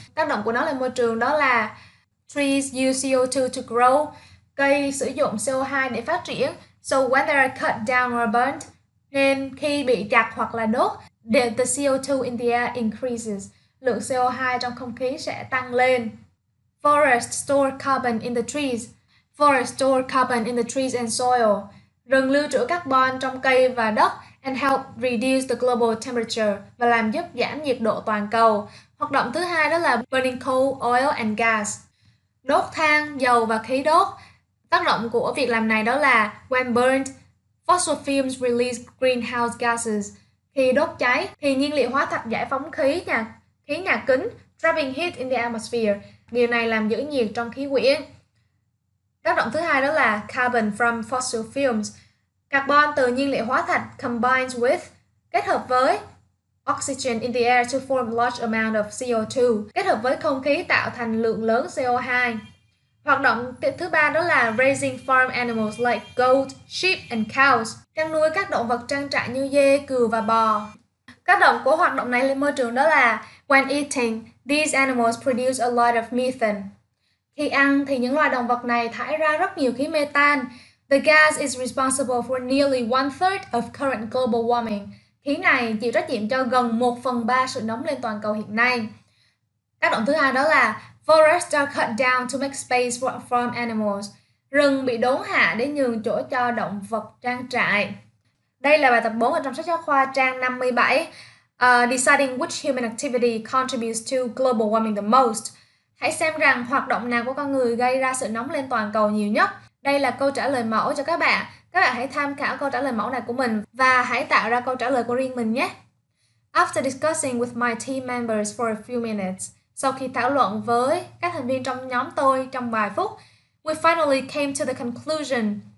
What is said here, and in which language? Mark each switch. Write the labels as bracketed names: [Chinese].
[Vietnamese] Tác động của nó lên môi trường đó là [English] trees use CO2 to grow, [Vietnamese] cây sử dụng CO2 để phát triển. [English] So when they are cut down or burnt, [Vietnamese] nên khi bị chặt hoặc là đốt, [English] the CO2 in the air increases, [Vietnamese] lượng CO2 trong không khí sẽ tăng lên. [English] Forest store carbon in the trees. Forest store carbon in the trees and soil. [Vietnamese] Rừng lưu trữ carbon trong cây và đất [English] and help reduce the global temperature, [Vietnamese] và làm giúp giảm nhiệt độ toàn cầu. Hoạt động thứ hai đó là [English] burning coal, oil and gas. [Vietnamese] Đốt than, dầu và khí đốt. Tác động của việc làm này đó là [English] when burned, fossil fumes release greenhouse gases. [Vietnamese] Khi đốt cháy thì nhiên liệu hóa thạch giải phóng khí nhà kính, [English] trapping heat in the atmosphere. [Vietnamese] Điều này làm giữ nhiệt trong khí quyển. Tác động thứ hai đó là carbon from fossil fumes. Carbon từ nhiên liệu hóa thạch [English] combines with, [Vietnamese] kết hợp với [English] oxygen in the air to form large amount of CO2, [Vietnamese] kết hợp với không khí tạo thành lượng lớn CO2. Hoạt động thứ ba đó là [English] raising farm animals like goat, sheep and cows, [Vietnamese] chăn nuôi các động vật trang trại như dê, cừu và bò. Tác động của hoạt động này lên môi trường đó là [English] when eating, these animals produce a lot of methane. [Vietnamese] Khi ăn thì những loài động vật này thải ra rất nhiều khí mê tan. [English] The gas is responsible for nearly 1/3 of current global warming. [Vietnamese] Khí này chịu trách nhiệm cho gần 1/3 sự nóng lên toàn cầu hiện nay. Tác động thứ hai đó là [English] forests are cut down to make space for farm animals. [Vietnamese] Rừng bị đốn hạ để nhường chỗ cho động vật trang trại. Đây là bài tập 4 ở trong sách giáo khoa trang 57. [English] Deciding which human activity contributes to global warming the most. [Vietnamese] Hãy xem rằng hoạt động nào của con người gây ra sự nóng lên toàn cầu nhiều nhất. Đây là câu trả lời mẫu cho các bạn. Các bạn hãy tham khảo câu trả lời mẫu này của mình và hãy tạo ra câu trả lời của riêng mình nhé. [English] After discussing with my team members for a few minutes, [Vietnamese] sau khi thảo luận với các thành viên trong nhóm tôi trong vài phút, [English] we finally came to the conclusion.